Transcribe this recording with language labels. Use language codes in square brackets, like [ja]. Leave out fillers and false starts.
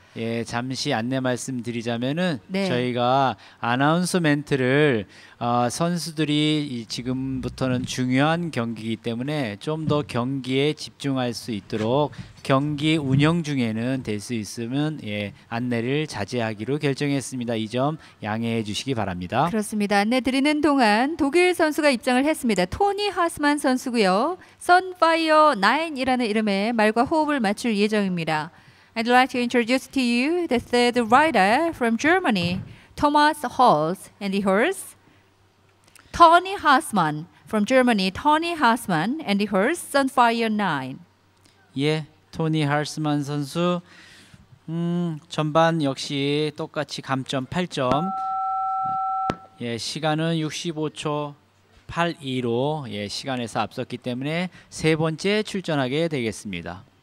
[ko] 예, 잠시 안내 말씀드리자면은 저희가 아나운서 멘트를 선수들이 지금부터는 중요한 경기이기 때문에 좀 더 경기에 집중할 수 있도록 경기 운영 중에는 될 수 있으면 안내를 자제하기로 결정했습니다. 이 점 양해해 주시기 바랍니다. 그렇습니다. 안내 드리는 동안 독일 선수가 입장을 했습니다. 토니 하스만 선수고요. 선파이어 9이라는 이름에 말과 호흡을 맞출 예정입니다. [en] I'd like to introduce to you the third rider from Germany, Thomas Holz, and the horse, Tony Haasmann from Germany, Tony Haasmann, and the horse, Sunfire 9. [ko] 예, 토니 하스만 선수, 전반 역시 똑같이 감점 8점. 예, 시간은 65초 82로 예, 시간에서 앞섰기 때문에 세 번째 출전하게 되겠습니다.